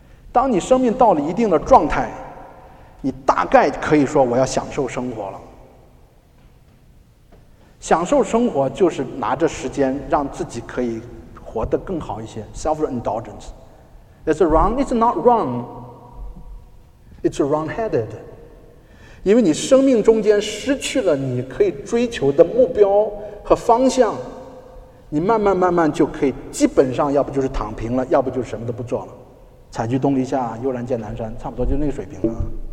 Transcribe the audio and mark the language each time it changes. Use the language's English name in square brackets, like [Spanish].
[Chinese] 当你生命到了一定的状态，你大概可以说我要享受生活了。享受生活就是拿着时间让自己可以活得更好一些， self-indulgence。 [English] It's wrong, it's not wrong, it's wrong-headed。 [Chinese] 因为你生命中间失去了你可以追求的目标和方向，你慢慢慢慢就可以基本上要不就是躺平了，要不就什么都不做了。采菊东篱下，悠然见南山，差不多就那个水平了。